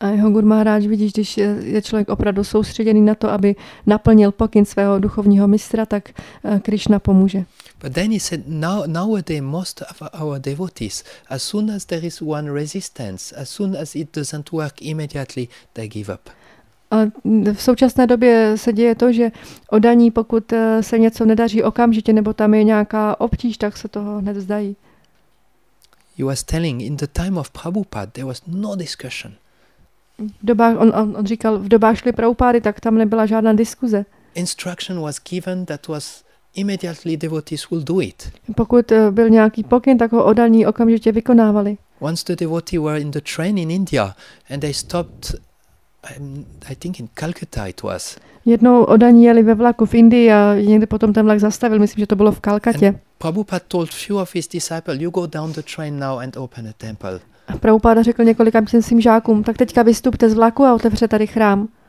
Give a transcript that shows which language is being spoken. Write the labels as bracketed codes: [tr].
[cs] A jeho Guru Maharaj, vidíš, když je člověk opravdu soustředěný na to, aby naplnil pokyn svého duchovního mistra, tak Krishna pomůže. [en] But then he said, nowadays most of our devotees, as soon as there is one resistance, as soon as it doesn't work immediately, they give up. [cs] A v současné době se děje to, že oddaní, pokud se něco nedaří okamžitě, nebo tam je nějaká obtíž, tak se toho hned vzdají. [en] He was telling, in the time of Prabhupada, there was no discussion. [cs] On říkal, v dobách šli Prabhupády, tak tam nebyla žádná diskuze. [en] Instruction was given, that was immediately devotees will do it. [cs] Pokud byl nějaký pokyn, tak ho oddaní okamžitě vykonávali. [en] Once the devotee were in the train in India and they stopped, I think in Calcutta it was. [cs] Jednou oddaní jeli ve vlaku v Indii a někdy potom ten vlak zastavil, myslím, že to bylo v Kalkatě. [en] Prabhupada told few of his disciples, you go down the train now and open a temple. [cs] A Prabhupada řekl několika svým žákům, tak teďka vystupte z vlaku a otevřete tady chrám.